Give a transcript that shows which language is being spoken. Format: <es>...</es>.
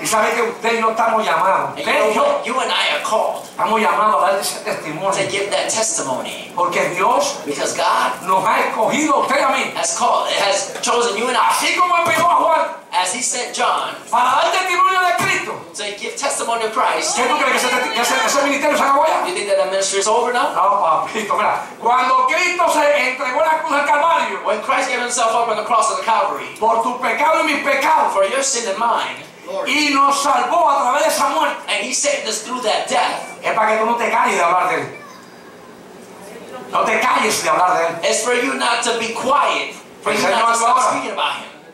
<en>you and I are called to give that testimony. Because God has chosen you and I. As he sent John to give testimony of Christ. You think that the ministry is over now?</en> <es>No, papito, mira. Cuando Cristo se entregó la cruz al Calvario,</es> <en>when Christ gave himself up on the cross of the Calvary,</en> <es>por tu pecado y mi pecado,</es> <en>for your sin and mine,</en> <es>y nos salvó a través de esa muerte,</es> <en>and he saved us through that death.</en> <es>Es para que tú no te calles de hablar de él. No te calles de hablar de él.</es> <en>It's for you not to be quiet, for you not to stop speaking about him.</en>